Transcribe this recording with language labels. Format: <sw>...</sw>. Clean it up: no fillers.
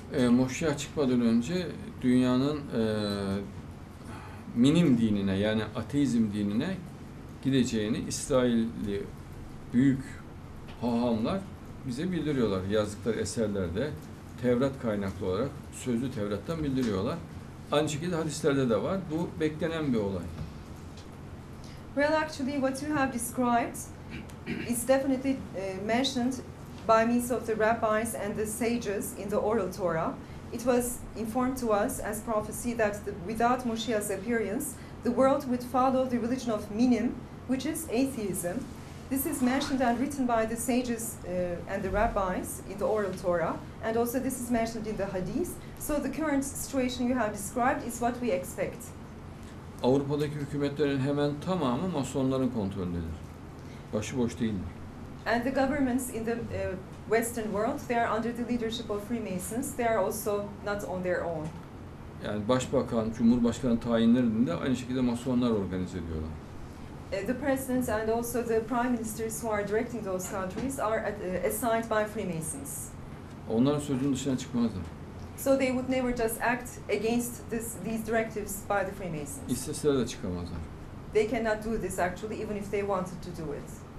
<tr>Moşya çıkmadan önce dünyanın minim dinine, yani ateizm dinine gideceğini İsrailli büyük hahamlar bize bildiriyorlar. Yazdıkları eserlerde, Tevrat kaynaklı olarak, sözlü Tevrat'tan bildiriyorlar. Aynı şekilde hadislerde de var. Bu beklenen bir olay.</tr> <en>Well, actually, what you have described is definitely mentioned by means of the rabbis and the sages in the oral Torah. It was informed to us as prophecy that without Moshiach's appearance, the world would follow the religion of Minim, which is atheism. This is mentioned and written by the sages and the rabbis in the oral Torah, and also this is mentioned in the Hadith. So the current situation you have described is what we expect.</en> <tr>Avrupa'daki hükümetlerin hemen tamamı Masonların kontrolündedir. Başıboş değildir.</tr> <en>And the governments in the Western world, they are under the leadership of Freemasons. They are also not on their own.</en> <tr>Yani başbakan, cumhurbaşkanı tayinlerinde aynı şekilde Masonlar organize ediyorlar.</tr> <en>The presidents and also the prime ministers who are directing those countries are assigned by Freemasons.</en> <tr>Onların sözünün dışına çıkmazlar.</tr> <en>So they would never just act against this, these directives by the Freemasons.</en> <tr>İsteseler de çıkamazlar.</tr> <en>They cannot do this actually, even if they wanted to do it.</en>